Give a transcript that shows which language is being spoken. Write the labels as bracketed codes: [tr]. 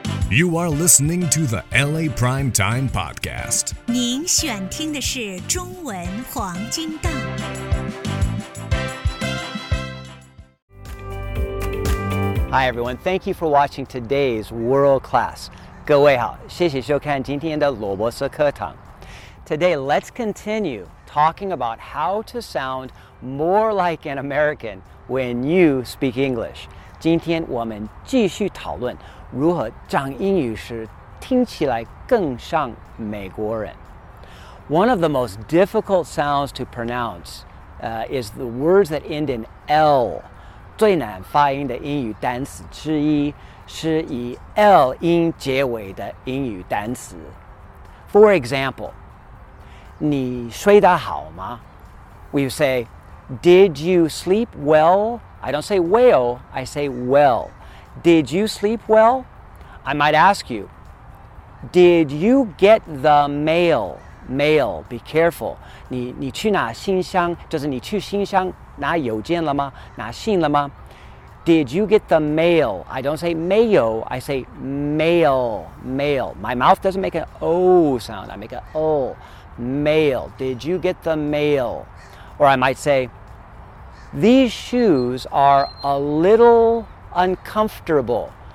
[en] You are listening to the LA Prime Time Podcast. [zh] 您选听的是中文黄金档。 [en] Hi everyone, thank you for watching today's World Class. [zh] 各位好，谢谢收看今天的罗博思课堂。 [en] Today, let's continue talking about how to sound more like an American when you speak English. [zh] 今天我们继续讨论如何讲英语时听起来更像美国人。 [en] One of the most difficult sounds to pronounce, is the words that end in L. [zh] 最难发音的英语单词之一是以 L 音结尾的英语单词。 [en] For example, [zh] 你睡得好吗? [en] We say, did you sleep well? I don't say well, I say well. Did you sleep well? I might ask you, did you get the mail? Mail, be careful. [zh] 你去拿信箱,就是你去信箱拿邮件了吗? 拿信了吗? [en] Did you get the mail? I don't say mail, I say mail, mail. My mouth doesn't make an O sound, I make an O. Mail. Did you get the mail? Or I might say, these shoes are a little uncomfortable.